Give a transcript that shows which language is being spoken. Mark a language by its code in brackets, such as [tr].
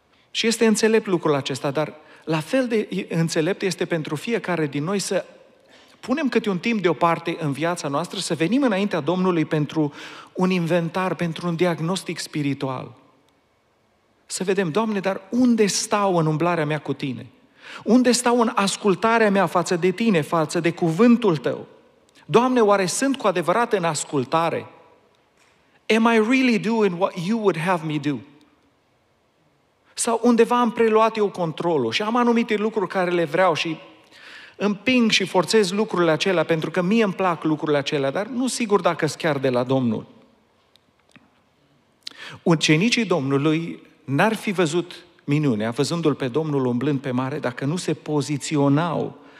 [ro] Și este înțelept lucrul acesta, dar la fel de înțelept este pentru fiecare din noi să punem câte un timp deoparte în viața noastră, să venim înaintea Domnului pentru un inventar, pentru un diagnostic spiritual. Să vedem, Doamne, dar unde stau în umblarea mea cu Tine? Unde stau în ascultarea mea față de Tine, față de cuvântul Tău? Doamne, oare sunt cu adevărat în ascultare? [en] Am I really doing what You would have me do? [ro] Sau undeva am preluat eu controlul și am anumite lucruri care le vreau și împing și forțez lucrurile acelea pentru că mie îmi plac lucrurile acelea, dar nu sigur dacă sunt chiar de la Domnul. Ucenicii Domnului n-ar fi văzut minunea, văzându-L pe Domnul umblând pe mare, dacă nu se poziționau